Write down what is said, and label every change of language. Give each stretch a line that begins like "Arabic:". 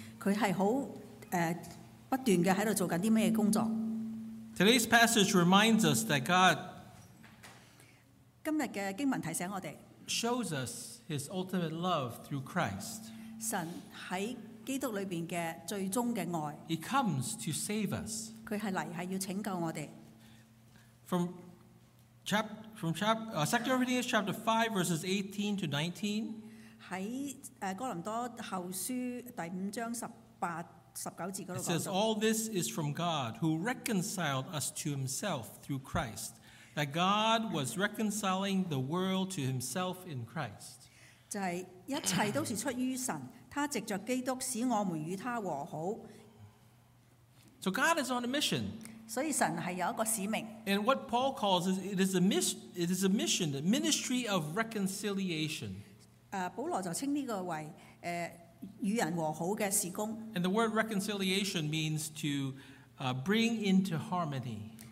Chinese: 他是很不断地在做什么工作。
English: Today's passage reminds us that God
Chinese: 今天的经文提醒我们,
English: shows us his ultimate love through Christ.
Chinese: 神在基督里面的最终的爱,
English: he comes to save us. From 2 Corinthians chapter 5, verses 18 to 19, it says, all this is from God who reconciled us to himself through Christ, that God was reconciling the world to himself in Christ.
Chinese: 就是一切都是出于神, 祂藉着基督使我们与祂和好。
English: So God is on a mission.
Chinese: 所以神是有一个使命。
English: And what Paul calls it is a mission, the ministry of reconciliation.
Chinese: 保罗就称这个为与人和好的事工。
English: And the word reconciliation means to bring into harmony.